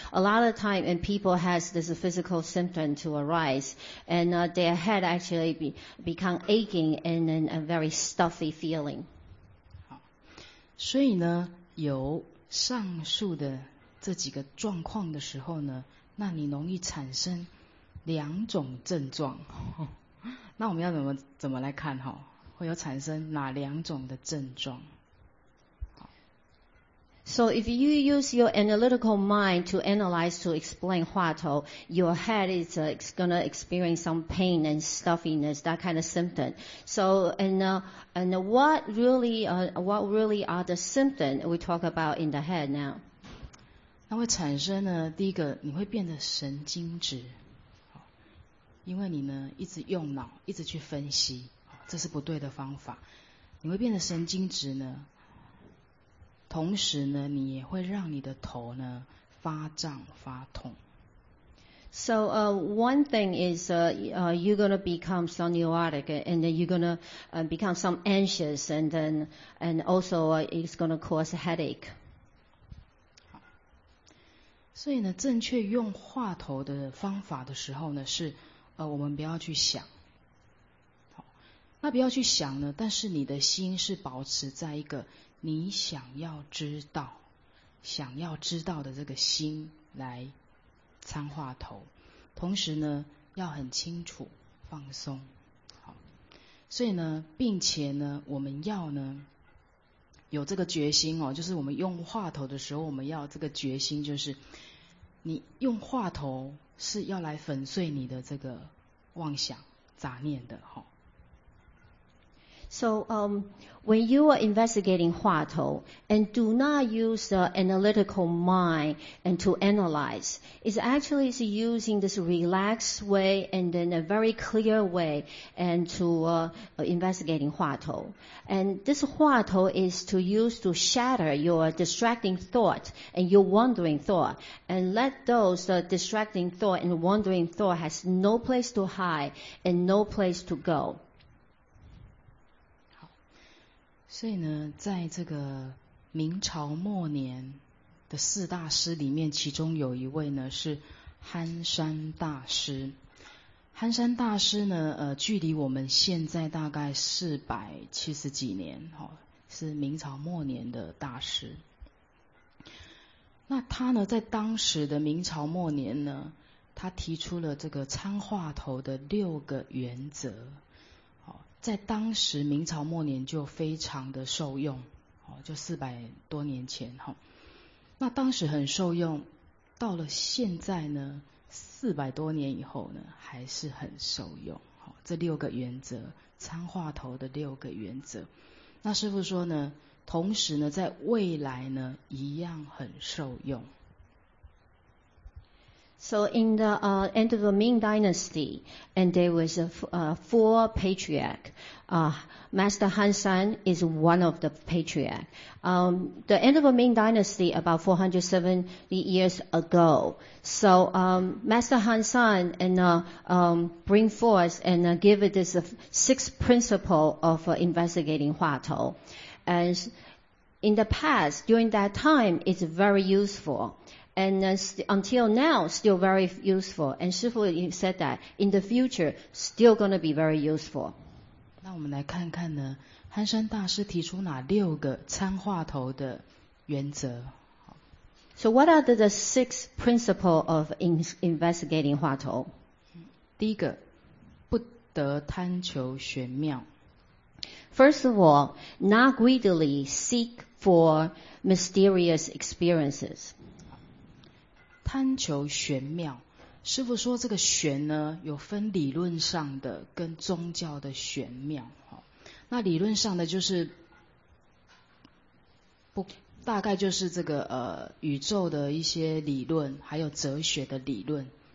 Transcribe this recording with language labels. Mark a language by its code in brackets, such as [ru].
[en] A lot of time and people has this physical symptom to arise, and their head actually become aching and then a very stuffy feeling. [zh] 好，所以呢，有上述的这几个状况的时候呢，那你容易产生两种症状。那我们要怎么来看哈？会有产生哪两种的症状？ [en] So if you use your analytical mind to analyze, to explain 话头, your head is going to experience some pain and stuffiness, that kind of symptom. So what really are the symptoms we talk about in the head now? [zh] 那会产生呢，第一个你会变得神经质，因为你呢一直用脑一直去分析，这是不对的方法。你会变得神经质呢，同时呢，你也会让你的头呢发胀发痛。 [en] So one thing is you're gonna become some neurotic, and then you're gonna become some anxious, and also it's gonna cause a headache. [zh] 所以呢，正确用话头的方法的时候呢，是我们不要去想。那不要去想呢，但是你的心是保持在一个你想要知道的这个心来参话头，同时呢要很清楚放松。好，所以呢，并且呢，我们要呢有这个决心哦，就是我们用话头的时候，我们要这个决心，就是你用话头是要来粉碎你的这个妄想杂念的哦。 [en] So, when you are investigating 话头 and do not use the analytical mind and to analyze, it's actually using this relaxed way and in a very clear way and to, investigating 话头. And this 话头 is to use to shatter your distracting thought and your wandering thought and let those distracting thought and wandering thought has no place to hide and no place to go. [zh] 所以呢，在这个明朝末年的四大师里面，其中有一位呢是憨山大师。憨山大师呢，距离我们现在大概470几年，哦，是明朝末年的大师。那他呢，在当时的明朝末年呢，他提出了这个参话头的6个原则。在当时明朝末年就非常的受用，就400多年前，那当时很受用，到了现在呢，400多年以后呢，还是很受用。这6个原则，参话头的6个原则，那师父说呢，同时呢，在未来呢，一样很受用。 [en] So in the end of the Ming Dynasty, and there was a four patriarch. Master Han San is one of the patriarch. The end of the Ming Dynasty about 470 years ago. So Master Han San bring forth and give it this sixth principle of investigating 话头. And in the past, during that time, it's very useful. And until now, still very useful. And Shifu said that in the future, still going to be very useful. [zh] 那我们来看看呢，憨山大师提出哪六个参话头的原则。 [en] So what are the six principles of investigating 话头？ [zh] 第一个，不得贪求玄妙。 [en] First of all, not greedily seek for mysterious experiences. [zh] 贪求玄妙，师父说这个玄呢，有分理论上的跟宗教的玄妙。那理论上的就是不，大概就是这个宇宙的一些理论，还有哲学的理论。